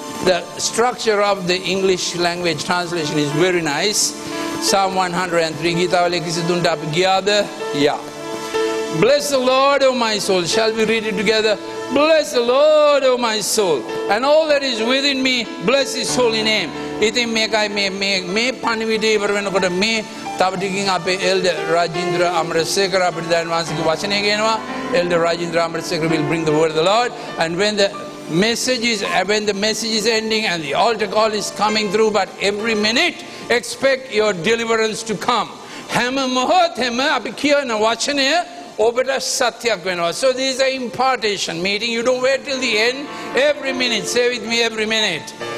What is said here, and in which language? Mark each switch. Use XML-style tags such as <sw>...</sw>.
<en>The structure of the English language translation is very nice. Psalm 103,</en> <si>Gita Valiya Ekasiya Tuna.</si> <en>Yeah. Bless the Lord, O my soul. Shall we read it together? Bless the Lord, O my soul, and all that is within me, bless His holy name.</en> <si>ඉතින් මේකයි මේ පණිවිඩය ඉවර වෙනකොට මේ තව ටිකකින් අපේ එල්ඩර් රජින්ද්‍ර අමරසේකර අපිට දැන් වාසික වචනය කියනවා.</si> <en>Elder Rajendra Amritsekhar will bring the word of the Lord. And when the message is ending and the altar call is coming through, but every minute, expect your deliverance to come.</en> <si>හැම මොහොතෙම අපි කියන වචනය ඔබට සත්‍යයක් වෙනවා.</si> <en>So this is an impartation meeting. You don't wait till the end. Every minute. Say with me, every minute.</en>